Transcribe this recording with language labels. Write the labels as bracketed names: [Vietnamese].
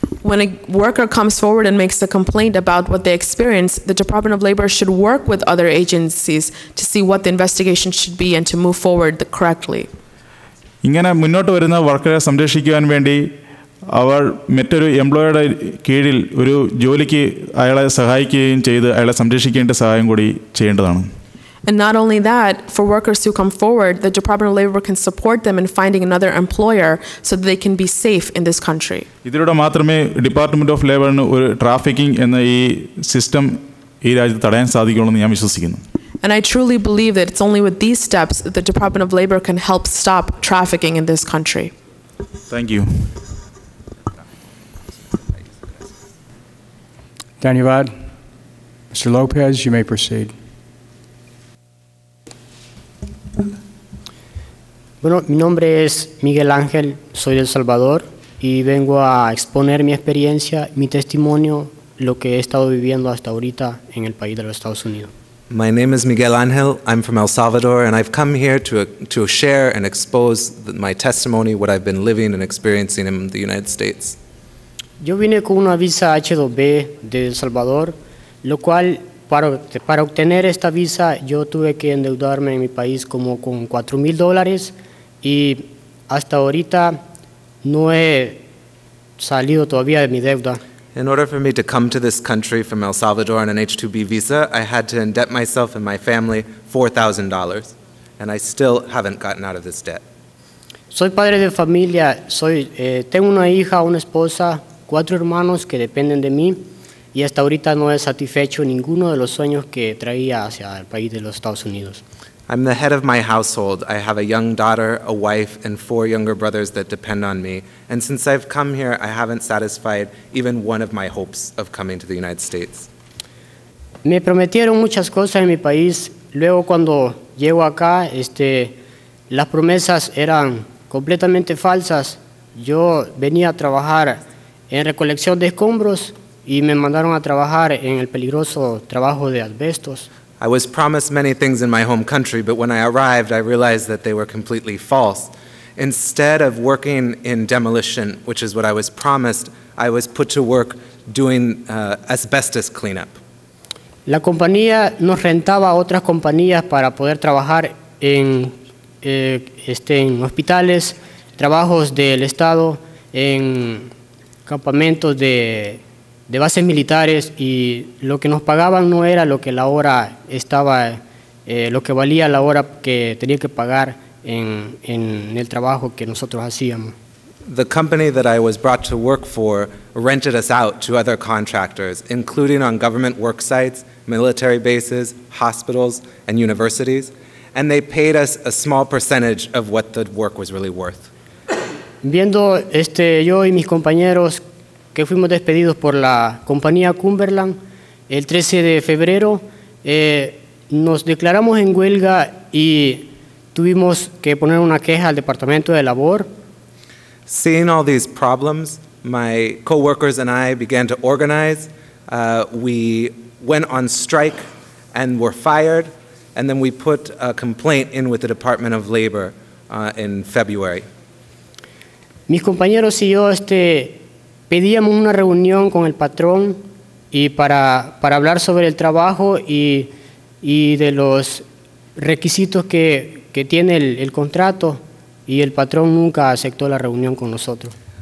[English] When a worker comes forward and makes a complaint about what they experience, the Department of Labor should work with other agencies to see what the investigation should be and to move forward correctly. [Malayalam] ഇങ്ങനെ മുന്നോട്ട് വരുന്ന വർക്കറെ സംരക്ഷിക്കാൻ വേണ്ടി അവർ മറ്റൊരു എംപ്ലോയറുടെ കീഴിൽ ഒരു ജോലിക്ക് അയാളെ സഹായിക്കുകയും ചെയ്ത് അയാളെ സംരക്ഷിക്കേണ്ട സഹായം കൂടി ചെയ്യേണ്ടതാണ്. [English] And not only that, for workers who come forward, the Department of Labor can support them in finding another employer so that they can be safe in this country. [Malayalam] ഇതിലൂടെ മാത്രമേ ഡിപ്പാർട്ട്മെന്റ് ഓഫ് ലേബറിന് ഒരു trafficking എന്ന ഈ system ഈ രാജ്യത്ത് തടയാൻ സാധിക്കുള്ളൂ എന്ന് ഞാൻ വിശ്വസിക്കുന്നു. [English] And I truly believe that it's only with these steps that the Department of Labor can help stop trafficking in this country. Thank you. Danyavad. Mr. Lopez, you may proceed. [Spanish] Bueno, mi nombre es Miguel Ángel, soy de El Salvador y vengo a exponer mi experiencia, mi testimonio, lo que he estado viviendo hasta ahorita en el país de los Estados Unidos. [English] My name is Miguel Ángel, I'm from El Salvador and I've come here to share and expose my testimony, what I've been living and experiencing in the United States. [Spanish] Yo vine con una visa H2-B de El Salvador, lo cual para obtener esta visa yo tuve que endeudarme en mi país como con $4,000 y hasta ahorita no he salido todavía de mi deuda. [English] In order for me to come to this country from El Salvador on an H2B visa, I had to indebt myself and my family $4,000 and I still haven't gotten out of this debt. [Spanish] Soy padre de familia, tengo una hija, una esposa, cuatro hermanos que dependen de mí. Y hasta ahorita no he satisfecho ninguno de los sueños que traía hacia el país de los Estados Unidos. [English] I'm the head of my household. I have a young daughter, a wife, and four younger brothers that depend on me. And since I've come here, I haven't satisfied even one of my hopes of coming to the United States. [Spanish] Me prometieron muchas cosas en mi país. Luego cuando llego acá, las promesas eran completamente falsas. Yo venía a trabajar en recolección de escombros. Y me mandaron a trabajar en el peligroso trabajo de asbestos. [English] I was promised many things in my home country, but when I arrived, I realized that they were completely false. Instead of working in demolition, which is what I was promised, I was put to work doing asbestos cleanup. [Spanish] La compañía nos rentaba a otras compañías para poder trabajar en en hospitales, trabajos del Estado, en campamentos de de bases militares y lo que nos pagaban no era lo que la hora estaba lo que valía la hora que tenía que pagar en el trabajo que nosotros hacíamos. [English] The company that I was brought to work for rented us out to other contractors, including on government work sites, military bases, hospitals, and universities, and they paid us a small percentage of what the work was really worth. [Spanish] Viendo yo y mis compañeros que fuimos despedidos por la compañía Cumberland el 13 de febrero, nos declaramos en huelga y tuvimos que poner una queja al Departamento de Labor. [English] Seeing all these problems, my coworkers and I began to organize. We went on strike and were fired, and then we put a complaint in with the Department of Labor in February. [Spanish] Mis compañeros y yo pedíamos una reunión con el patrón y para hablar sobre el trabajo y de los requisitos que tiene el contrato. Y el patrón nunca aceptó la reunión con nosotros.